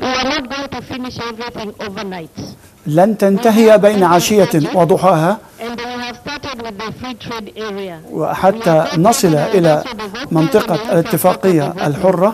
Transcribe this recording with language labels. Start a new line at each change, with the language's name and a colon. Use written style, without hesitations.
English: We are not going to finish everything overnight.
Arabic: لن تنتهي بين عشية وضحاها.
English: And we have started with the free trade area.
Arabic: وحتى نصل إلى منطقة الاتفاقية الحرة.